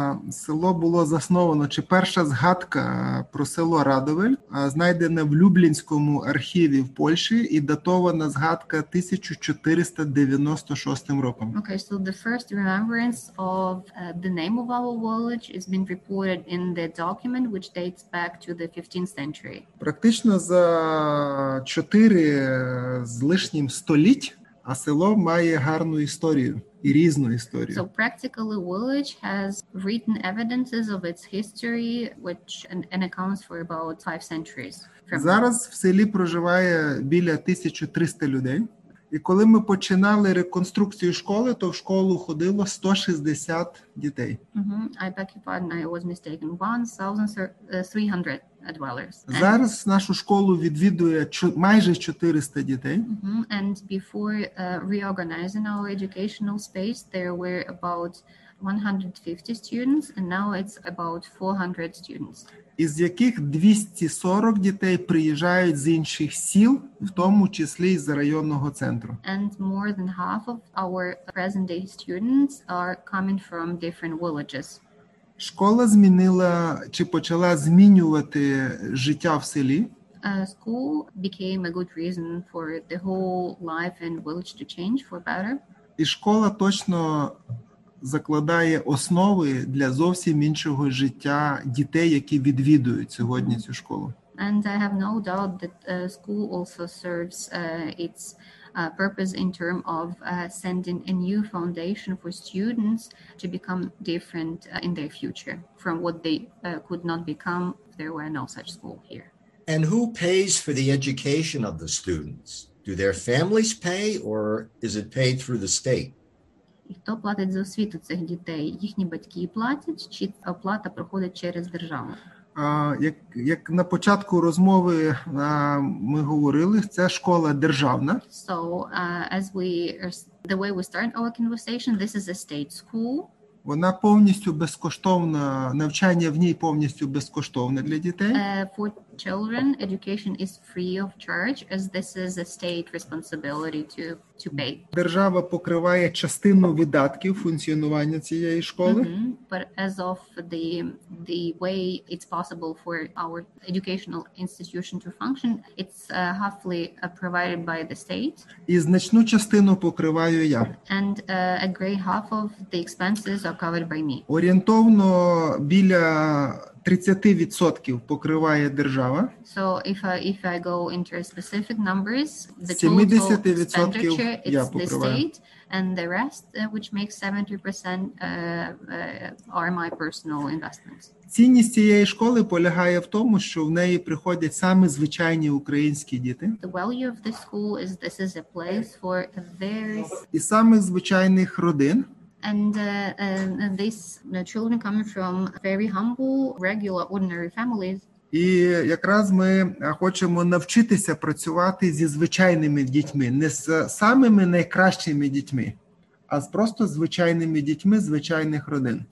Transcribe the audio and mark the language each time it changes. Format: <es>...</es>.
<uk>Село було засновано, чи перша згадка про село Радовель знайдена в Люблінському архіві в Польщі і датована згадка 1496 роком.</uk> <en>Okay, so the first remembrance of the name of our village has been reported in the document which dates back to the 15th century.</en> <uk>Практично за 4 з лишнім століть. А село має гарну історію і різну історію.</uk> <en>So practically village has written evidences of its history which and accounts for about 5 centuries.</en> <uk>Зараз в селі проживає біля 1300 людей. І коли ми починали реконструкцію школи, то в школу ходило 160 дітей.</uk> <en>I beg your pardon, I was mistaken. 1,300 dwellers.</en> <uk>Зараз нашу школу відвідує майже 400 дітей.</uk> <en>And before reorganizing our educational space, there were about 150 students, and now it's about 400 students.</en> <uk>Із яких 240 дітей приїжджають з інших сіл, в тому числі з районного центру.</uk> <en>And more than half of our present-day students are coming from different villages.</en> <uk>Школа змінила чи почала змінювати життя в селі.</uk> <en>School became a good reason for the whole life and village to change for better.</en> <uk>І школа точно закладає основи для зовсім іншого життя дітей, які відвідують сьогодні цю школу.</uk> <en>And I have no doubt that school also serves its purpose in term of sending a new foundation for students to become different in their future from what they could not become if there were no such school here. And who pays for the education of the students? Do their families pay or is it paid through the state?</en> <uk>І хто платить за освіту цих дітей? Їхні батьки платять, чи оплата проходить через державу? Як на початку розмови ми говорили, це школа державна.</uk> <en>So, as we, the way we start our conversation, this is a state school.</en> <uk>Вона повністю безкоштовна, навчання в ній повністю безкоштовне для дітей.</uk> <en>For children, education is free of charge, as this is a state responsibility to pay.</en> <uk>Держава покриває частину видатків функціонування цієї школи.</uk> <en>But as of the way it's possible for our educational institution to function, it's halfly provided by the state.</en> <uk>І значну частину покриваю я.</uk> <en>And a great half of the expenses are covered by me.</en> <uk>Орієнтовно біля 30% покриває держава.</uk> <en>So if I go into specific numbers, the total expenditure is the state, and the rest, which makes 70%, are my personal investments.</en> <uk>Цінність цієї школи полягає в тому, що в неї приходять саме звичайні українські діти.</uk> <en>The value of the school is this is a place for a very</en> <uk>і самих звичайних родин.</uk> <en>And these children come from very humble, regular, ordinary families.</en> <uk>І якраз ми хочемо навчитися працювати зі звичайними дітьми, не з самими найкращими дітьми, а з просто звичайними дітьми звичайних родин.</uk>